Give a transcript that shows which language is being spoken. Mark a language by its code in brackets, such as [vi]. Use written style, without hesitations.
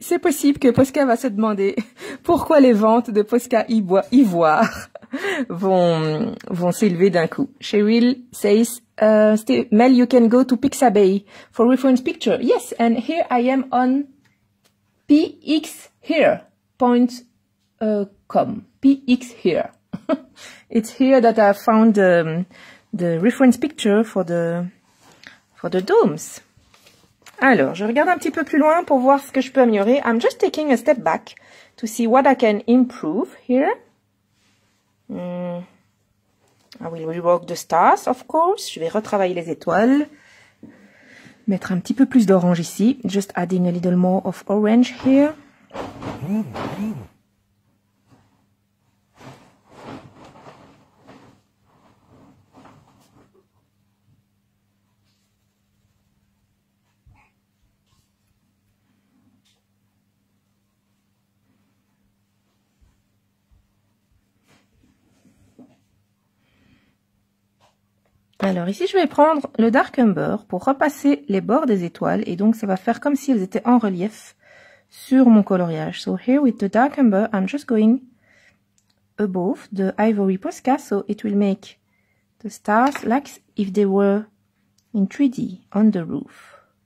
[fr] C'est possible que Posca va se demander pourquoi les ventes de Posca Ivoire vont s'élever d'un coup. [en] Cheryl says, Mel, you can go to Pixabay for reference picture. Yes, and here I am on pxhere.com. Pxhere. It's here that I found the reference picture for the domes. [fr] Alors, je regarde un petit peu plus loin pour voir ce que je peux améliorer. [en] I'm just taking a step back to see what I can improve here. I will rework the stars, of course. [fr] Je vais retravailler les étoiles. Mettre un petit peu plus d'orange ici. [en] Just adding a little more of orange here. [fr] Alors ici, je vais prendre le Dark Umber pour repasser les bords des étoiles. Et donc, ça va faire comme si elles étaient en relief sur mon coloriage. [en] So here with the Dark Umber, I'm just going above the Ivory Posca. So it will make the stars like if they were in 3D on the roof.